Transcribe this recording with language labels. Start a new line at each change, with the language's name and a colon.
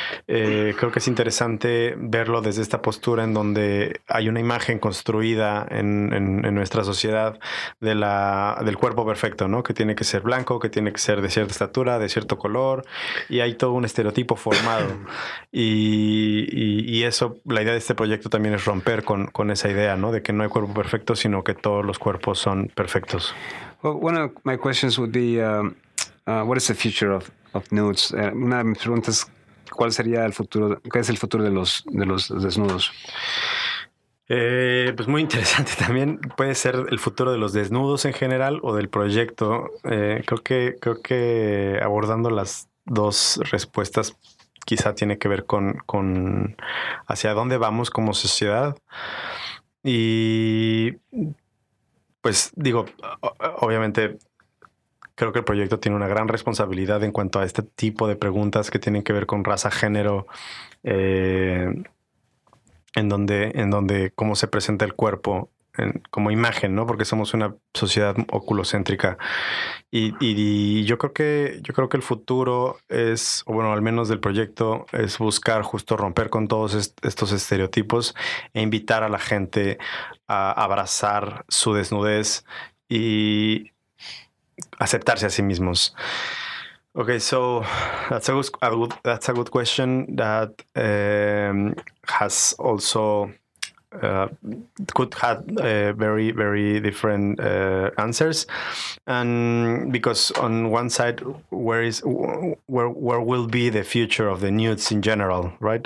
Spanish: Creo que es interesante verlo desde esta postura, en donde hay una imagen construida en nuestra sociedad del cuerpo perfecto, ¿no? Que tiene que ser blanco, que tiene que ser de cierta estatura, de cierto color, y hay todo un estereotipo formado. Y eso, la idea de este proyecto también es romper con esa idea, ¿no? De que no hay cuerpo perfecto, sino que todos los cuerpos son perfectos.
English: Well, one of my questions would be, what is the future of nudes?
Spanish: Una de mis preguntas, ¿cuál sería el futuro? ¿Qué es el futuro de los desnudos? Pues muy interesante también. Puede ser el futuro de los desnudos en general o del proyecto. Creo que abordando las dos respuestas, quizá tiene que ver con hacia dónde vamos como sociedad. Y pues digo, obviamente creo que el proyecto tiene una gran responsabilidad en cuanto a este tipo de preguntas que tienen que ver con raza, género, en donde cómo se presenta el cuerpo como imagen, ¿no? Porque somos una sociedad oculocéntrica. Y yo creo que el futuro es, bueno, al menos del proyecto, es buscar justo romper con todos estos estereotipos e invitar a la gente a abrazar su desnudez y aceptarse a sí mismos.
English: Okay, so that's a good question that has also could have very, very different answers. And because on one side, where will be the future of the nudes in general, right?